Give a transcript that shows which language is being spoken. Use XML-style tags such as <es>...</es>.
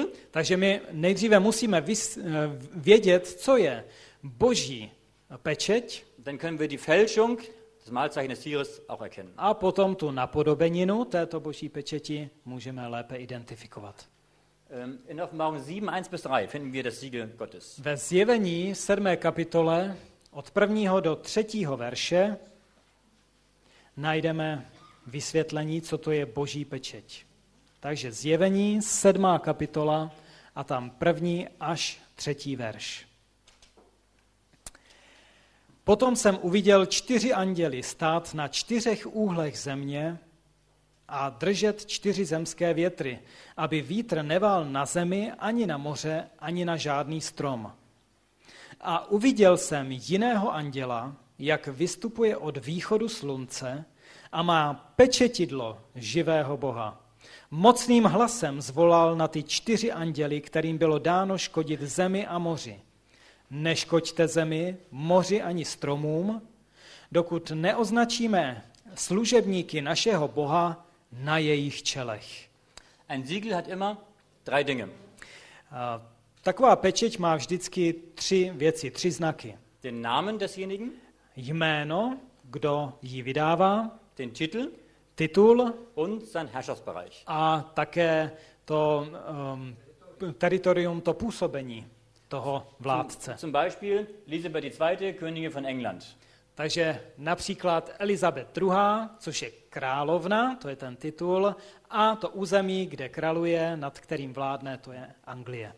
<cs>Takže my nejdříve musíme vědět, co je Boží pečeť.</cs> <de>Dann können wir die Fälschung des Malzeichen des Tieres auch erkennen.</de> <cs>A potom tu napodobeninu této Boží pečeti můžeme lépe identifikovat.</cs> <de>In Offenbarung 7:1-3 finden wir das Siegel Gottes.</de> <cs>Ve Zjevení 7. kapitole od 1. do 3. verše najdeme vysvětlení, co to je Boží pečeť. Takže Zjevení 7. kapitola a tam 1. až 3. verš. Potom jsem uviděl čtyři anděly stát na čtyřech úhlech země a držet čtyři zemské větry, aby vítr neval na zemi, ani na moře, ani na žádný strom. A uviděl jsem jiného anděla, jak vystupuje od východu slunce a má pečetidlo živého Boha. Mocným hlasem zvolal na ty čtyři anděly, kterým bylo dáno škodit zemi a moři. Neškoďte zemi, moři ani stromům, dokud neoznačíme služebníky našeho Boha na jejich čelech.</cs> <de>Ein Siegel hat immer drei Dinge.</de> <cs>Taková pečeť má vždycky tři věci, tři znaky.</cs> <de>Den Namen desjenigen,</de> <cs>jméno, kdo ji vydává,</cs> <de>den Titel,</de> <cs>titul</cs> <de>und sein Herrschaftsbereich.</de> <cs>A také to teritorium, to působení toho vládce.</cs> <de>Zum Beispiel Elisabeth II., Königin von England.</de> <cs>Takže například Elizabeth II., což je královna, to je ten titul, a to území, kde králuje, nad kterým vládne, to je Anglie.</cs>